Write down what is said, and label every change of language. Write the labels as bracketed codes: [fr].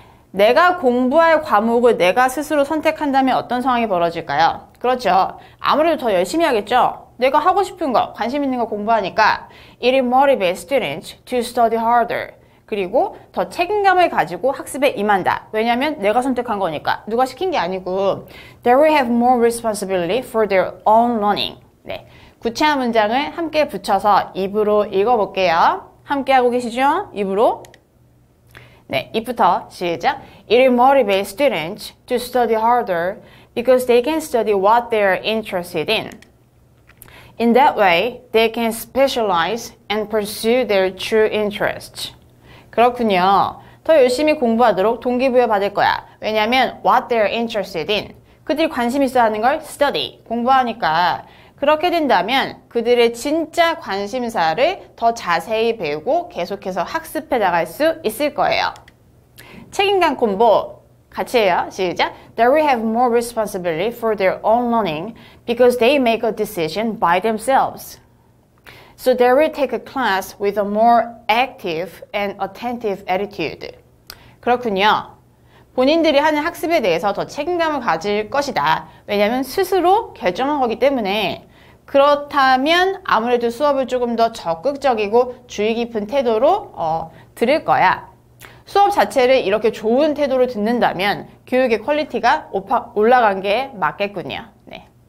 [ko] 내가 공부할 과목을 내가 스스로 선택한다면 어떤 상황이 벌어질까요? 그렇죠. 아무래도 더 열심히 하겠죠. 내가 하고 싶은 거, 관심 있는 거 공부하니까 [en] It motivates students to study harder. [ko] 그리고 더 책임감을 가지고 학습에 임한다. 왜냐하면 내가 선택한 거니까. 누가 시킨 게 아니고 [en] They will have more responsibility for their own learning. [ko] 네. 구체한 문장을 함께 붙여서 입으로 읽어볼게요. 함께 하고 계시죠? 입으로. 네, 입부터 시작. [en] It motivates students to study harder because they can study what they are interested in. In that way, they can specialize and pursue their true interests. [ko] 그렇군요. 더 열심히 공부하도록 동기부여 받을 거야. 왜냐하면 [en] what they are interested in. [ko] 그들이 관심 있어 하는 걸 study, 공부하니까. 그렇게 된다면 그들의 진짜 관심사를 더 자세히 배우고 계속해서 학습해 나갈 수 있을 거예요. 책임감 콤보 같이 해요. 시작! [en] They will have more responsibility for their own learning because they make a decision by themselves. So they will take a class with a more active and attentive attitude. [ko] 그렇군요. 본인들이 하는 학습에 대해서 더 책임감을 가질 것이다. 왜냐하면 스스로 결정한 거기 때문에 그렇다면 아무래도 수업을 조금 더 적극적이고 주의 깊은 태도로 들을 거야. 수업 자체를 이렇게 좋은 태도로 듣는다면 교육의 퀄리티가 올라간 게 맞겠군요. 네.